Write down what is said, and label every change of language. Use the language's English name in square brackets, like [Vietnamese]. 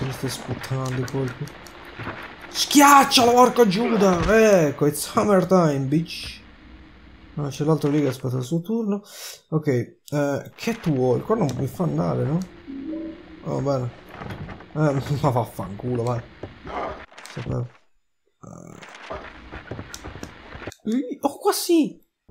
[Italian] altro, mi stai sputtando i colpi. Schiaccialo, porco Giuda! [English] Ecco, it's hammer time, bitch! [Italian] Ah, c'è l'altro lì che aspetta il suo turno. Ok, catwalk, qua non mi fa andare, no? Oh, bene. Ma vaffanculo, vai. Sapevo. Oh, qua sì!